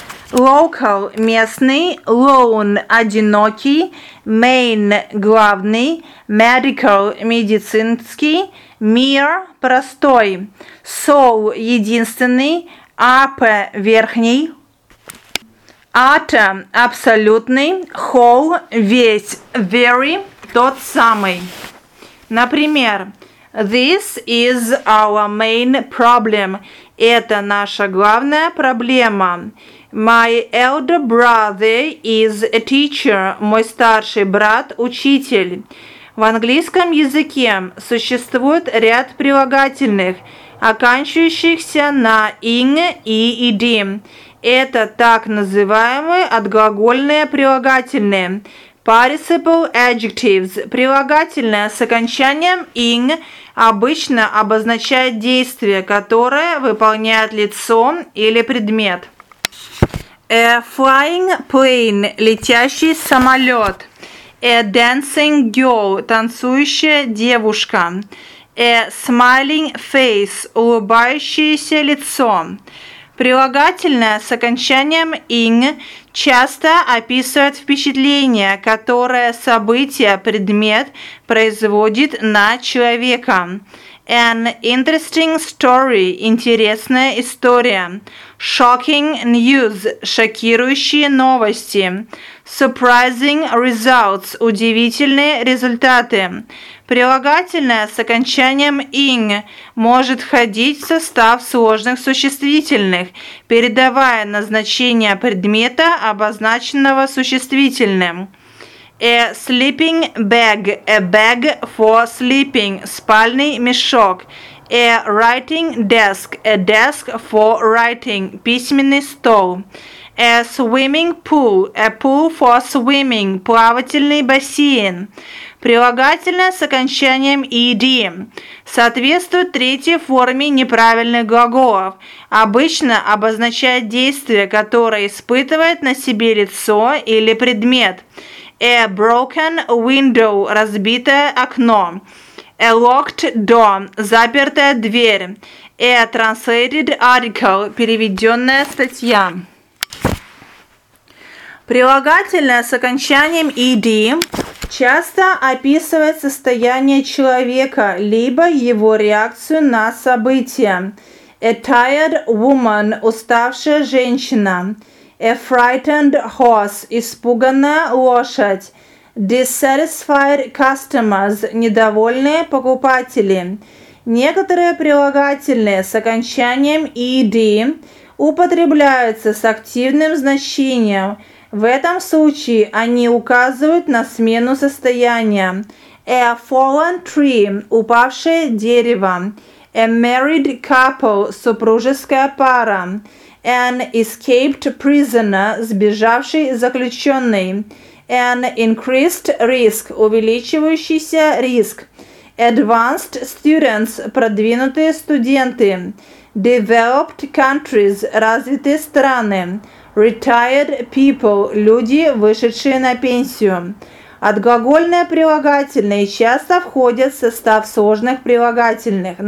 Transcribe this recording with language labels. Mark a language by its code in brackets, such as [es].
[ru] Local – местный, lone – одинокий, main – главный, medical – медицинский, mere – простой, soul – единственный, upper – верхний, utter – абсолютный, whole – весь, very – тот самый. Например, [en] this is our main problem [ru] – это наша главная проблема. [en] My elder brother is a teacher. [ru] Мой старший брат – учитель. В английском языке существует ряд прилагательных, оканчивающихся на -ing и -ed. Это так называемые отглагольные прилагательные [en] participle adjectives. [ru] Прилагательное с окончанием -ing обычно обозначает действие, которое выполняет лицо или предмет. [en] A flying plane – [ru] летящий самолет. [en] A dancing girl – [ru] танцующая девушка. [en] A smiling face – [ru] улыбающееся лицо. Прилагательное с окончанием -ing часто описывает впечатление, которое событие, предмет производит на человека. [en] An interesting story – [ru] интересная история. [en] Shocking news – [ru] шокирующие новости. [en] Surprising results – [ru] удивительные результаты. Прилагательное с окончанием -ing может входить в состав сложных существительных, передавая назначение предмета, обозначенного существительным. [en] A sleeping bag – a bag for sleeping – [ru] спальный мешок. [en] A writing desk – a desk for writing – [ru] письменный стол. [en] A swimming pool – a pool for swimming – [ru] плавательный бассейн. Прилагательное с окончанием -ed соответствует третьей форме неправильных глаголов. Обычно обозначает действие, которое испытывает на себе лицо или предмет. [en] A broken window – [ru] разбитое окно. [en] A locked door – [ru] запертая дверь. [en] A translated article – [ru] переведенная статья. Прилагательное с окончанием -ed часто описывает состояние человека, либо его реакцию на события. [en] A tired woman – [ru] уставшая женщина. [en] A frightened horse – [ru] испуганная лошадь. [en] Dissatisfied customers – [ru] недовольные покупатели. Некоторые прилагательные с окончанием -ed употребляются с активным значением. В этом случае они указывают на смену состояния. [en] A fallen tree – [ru] упавшее дерево. [en] A married couple – [ru] супружеская пара. [en] An escaped prisoner – [ru] сбежавший заключенный. [en] An increased risk – [ru] увеличивающийся риск. [en] Advanced students – [ru] продвинутые студенты. [en] Developed countries – [ru] развитые страны. [en] Retired people [ru] – люди, вышедшие на пенсию. Отглагольные прилагательные часто входят в состав сложных прилагательных.